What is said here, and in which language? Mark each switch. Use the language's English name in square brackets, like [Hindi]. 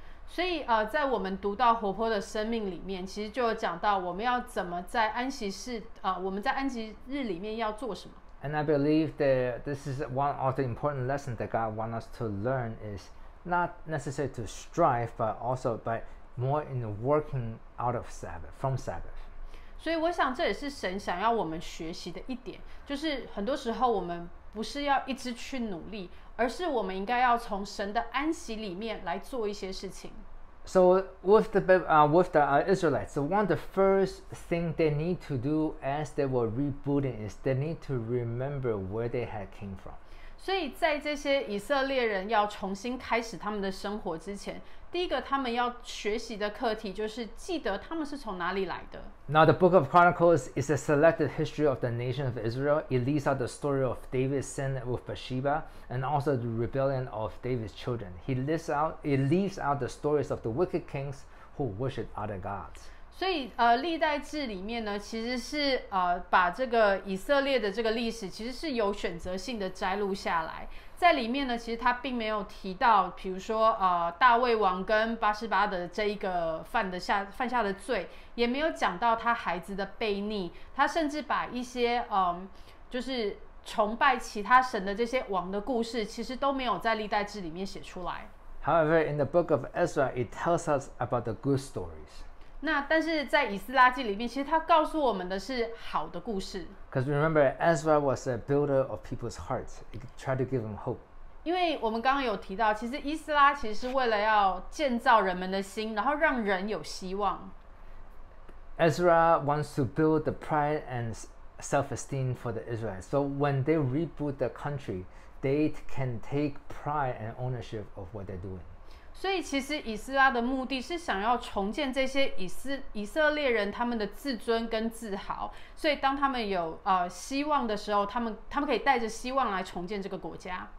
[Chinese] 所以在我们读到活泼的生命里面，其实就有讲到我们要怎么在安息日我们在安息日里面要做什么。 [English] And I believe that this is one of the important lessons that God wants us to learn, is not necessarily to strive, but also by more in working out of Sabbath, from Sabbath. [Chinese] 所以我想这也是神想要我们学习的一点，就是很多时候我们不是要一直去努力，而是我们应该要从神的安息里面来做一些事情。 [English] So with the Israelites, so one of the first thing they need to do as they were rebooting is they need to remember where they had came from. [Chinese] 所以在这些以色列人要重新开始他们的生活之前，第一个他们要学习的课题就是记得他们是从哪里来的。 [English] Now the book of Chronicles is a selected history of the nation of Israel. It leads out the story of David's sin with Bathsheba and also the rebellion of David's children. It leaves out the stories of the wicked kings who worship other gods. [Chinese] 所以历代志里面呢，其实是把这个以色列的这个历史其实是有选择性的摘录下来，在里面呢，其实他并没有提到，比如说大卫王跟八十八的这一个犯下的罪，也没有讲到他孩子的悖逆，他甚至把一些就是崇拜其他神的这些王的故事，其实都没有在历代志里面写出来。 [English] However, in the book of Ezra, it tells us about the good stories. [Chinese] 那但是在以斯拉记里面，其实他告诉我们的是好的故事。 [English] Because remember, Ezra was a builder of people's hearts. He tried to give them hope. [Chinese] 因为我们刚刚有提到，其实以斯拉其实是为了要建造人们的心，然后让人有希望。 [English] Ezra wants to build the pride and self-esteem for the Israelites. So when they reboot the country, they can take pride and ownership of what they're doing. [Chinese] 所以其实以斯拉的目的是想要重建这些以色列人他们的自尊跟自豪，所以当他们有希望的时候，他们可以带着希望来重建这个国家。